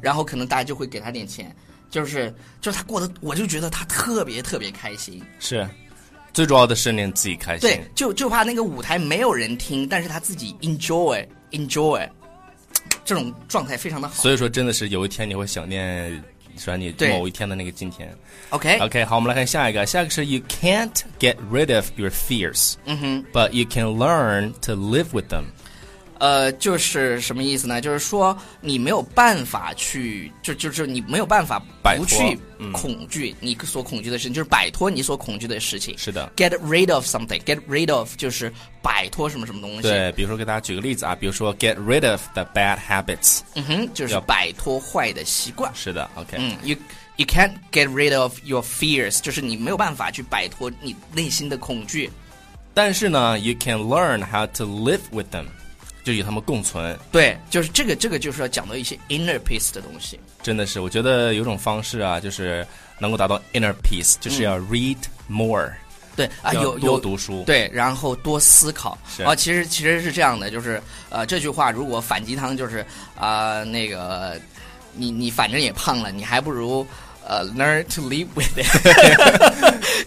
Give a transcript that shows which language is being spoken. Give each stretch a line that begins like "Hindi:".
Chinese: 然后可能大家就会给他点钱就是他过得我就觉得他特别特别开心是最主要的是令自己开心对就怕那个舞台没有人听但是他自己 enjoy 这种状态非常的好所以说真的是有一天你会想念说你某一天的那个今天 OK OK 好我们来看下一个下一个是
English: You can't get rid of your fears、 mm-hmm. But you can learn to live with them
Chinese: 就是什么意思呢就是说你没有办法去就是你没有办法不去恐惧你所恐惧的事情、嗯、就是摆脱你所恐惧的事情是的 get rid of something get rid of 就是摆脱什么什么东西对比如说给大家举个例子啊比如说
English: get rid of the bad habits
Chinese: 嗯哼就是摆脱坏的习惯是的 OK、嗯、
English: you can't get rid of your fears
Chinese: 就是你没有办法去摆脱你内心的恐惧但是呢
English: you can learn how to live with them
Chinese: 就与他们共存对就是这个就是要讲到一些 inner peace 的东西真的是我觉得有种方式啊就是能够达到 inner peace 就是要 read more、嗯、对啊有多读书对然后多思考是啊其实是这样的就是这句话如果反鸡汤就是那个你反正也胖了你还不如
English: learn to live with it